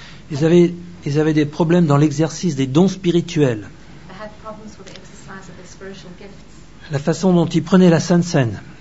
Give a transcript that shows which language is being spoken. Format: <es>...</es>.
<fr>Ils avaient des problèmes dans l'exercice des dons spirituels.</fr> <en>They had problems with the exercise of their spiritual gifts.</en> <fr>La façon dont ils prenaient la Sainte Cène.</fr>